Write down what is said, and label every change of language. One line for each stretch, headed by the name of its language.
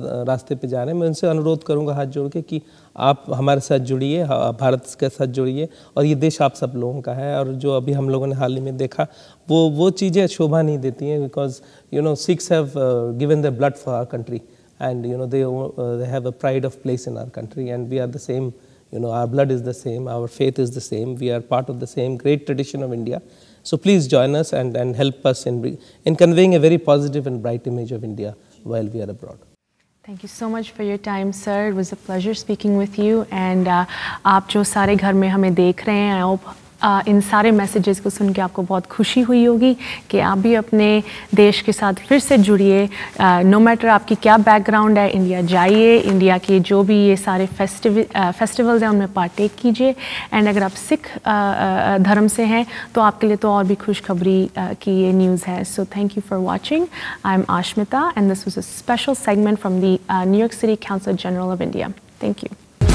Hindi: रास्ते पे जा रहे हैं मैं उनसे अनुरोध करूँगा हाथ जोड़ के कि आप हमारे साथ जुड़िए भारत के साथ जुड़िए और ये देश आप सब लोगों का है और जो अभी हम लोगों ने हाल ही में देखा वो चीज़ें शोभा नहीं देती हैं
English: Because you know Sikhs have given the blood for our country and you know they have a pride of place in our country and we are the same you know our blood is the same our faith is the same we are part of the same great tradition of India so please join us and help us in conveying a very positive and bright image of India while we are abroad Thank you so much for your time, sir. It was a pleasure speaking with you.
Hindi: And आप जो सारे घर में हमें देख रहे हैं आप इन सारे मैसेजेस को सुन के आपको बहुत खुशी हुई होगी कि आप भी अपने देश के साथ फिर से जुड़िए नो मैटर आपकी क्या बैकग्राउंड है इंडिया जाइए इंडिया के जो भी ये सारे फेस्टिवल्स हैं उनमें पार्टेक कीजिए एंड अगर आप सिख धर्म से हैं तो आपके लिए तो और भी खुशखबरी की ये न्यूज़ है
English: so thank you for watching I am Ashmita and this was a special segment from the New York city council general of India thank you